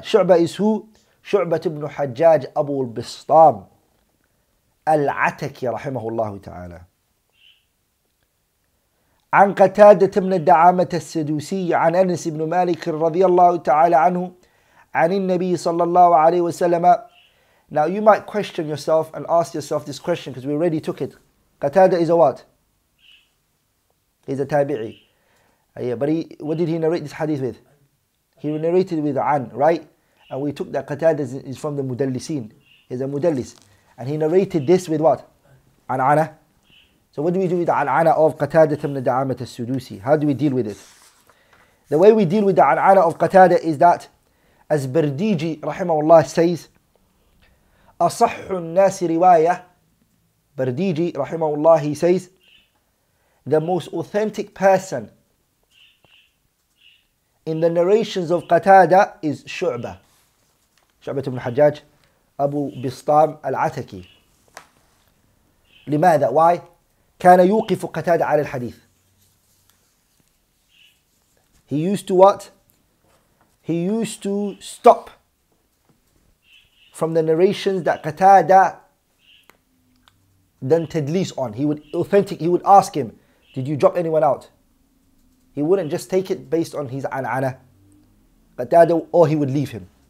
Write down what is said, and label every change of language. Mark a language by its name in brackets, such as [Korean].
[Arabic] شعبة اسمه شعبة بن حجاج أبو البسطام العتكي رحمه الله تعالى. عن قتادة من الدعامة السدوسي عن أنس بن مالك رضي الله تعالى عنه عن النبي صلى الله عليه وسلم. [English] Now you might question yourself and ask yourself this question because we already took it. Qatada is a what? He's a tabi'i. Yeah, but what did he narrate this hadith with? He narrated with an, right? And we took that Qatada is from the mudallisin. He's a mudallis. And he narrated this with what? An'ana. So what do we do with the an'ana of Qatada tamna da'amata al-sudusi? How do we deal with it? The way we deal with the an'ana of Qatada is that, as Bardiji rahimahullah says, [Arabic] أصح الناس رواية. [English] Bardiji rahimahullah, he says, the most authentic person in the narrations of Qatada is Shu'bah. Shu'bah ibn Hajjaj, Abu Bistam al-Ataki. [Arabic] لماذا? [English] Why? [Arabic] كان يوقف قتادة على الحديث. [English] He used to what? He used to stop from the narrations that Qatada then tadlis on. He would authentic, he would ask him, did you drop anyone out? He wouldn't just take it based on his an'ana. Qatada, or he would leave him.